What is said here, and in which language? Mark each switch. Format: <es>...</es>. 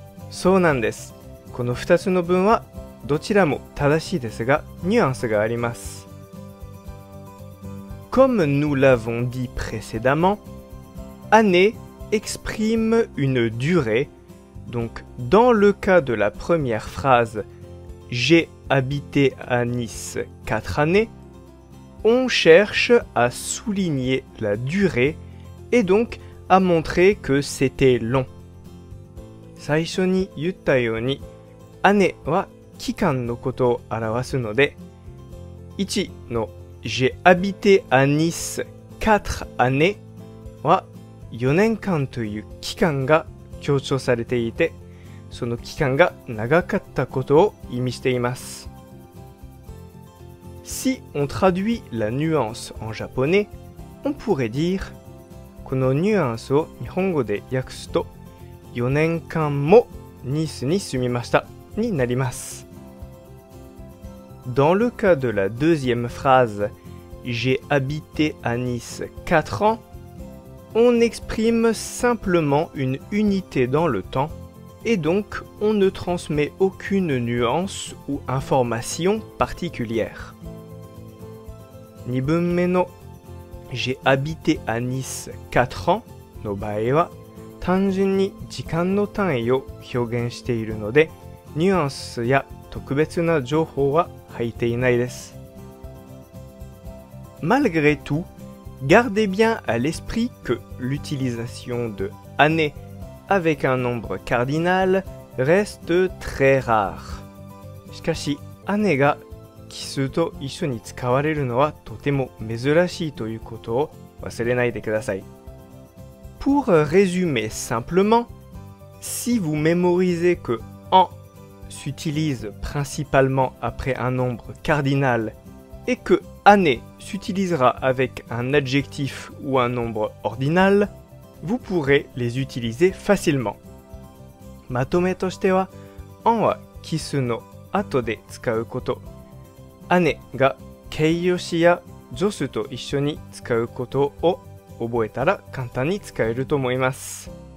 <ja>そうなんです。この2つの文はどちらも正しいですが、ニュアンスがあります。</ja> <fr>Comme nous l'avons dit précédemment, année exprime une durée. Donc, dans le cas de la première phrase « J'ai habité à Nice 4 années », on cherche à souligner la durée et donc à montrer que c'était long.</fr> <ja>最初に言ったように、année は期間のことを表すので、1の</ja> <fr>J'ai habité à Nice 4 années</fr> <ja>は4年間という期間が強調されていて、その期間が長かったことを意味しています。</ja> <fr>Si on traduit la nuance en japonais, on pourrait dire</fr> <ja>このニュアンスを日本語で訳すと4年間もニースに住みましたになります。</ja> <fr>Dans le cas de la deuxième phrase « J'ai habité à Nice 4 ans », on exprime simplement une unité dans le temps et donc on ne transmet aucune nuance ou information particulière.</fr> <ja>2文目の</ja> <fr>「J'ai habité à Nice 4 ans」</fr> <ja>の場合は単純に時間の単位を表現しているので、ニュアンスや特別な情報は入っていないです。</ja> <fr>Malgré tout, gardez bien à l'esprit que l'utilisation de année avec un nombre cardinal reste très rare.</fr> <ja>しかし、année が奇数と一緒に使われるのはとても珍しいということを忘れないでください。</ja> <fr>Pour résumer simplement, si vous mémorisez que en s'utilise principalement après un nombre cardinal et que année s'utilisera avec un adjectif ou un nombre ordinal, vous pourrez les utiliser facilement.</fr> <ja>まとめとしては、en は奇数の後で使うこと、année が形容詞や助数と一緒に使うことを覚えたら簡単に使えると思います。</ja>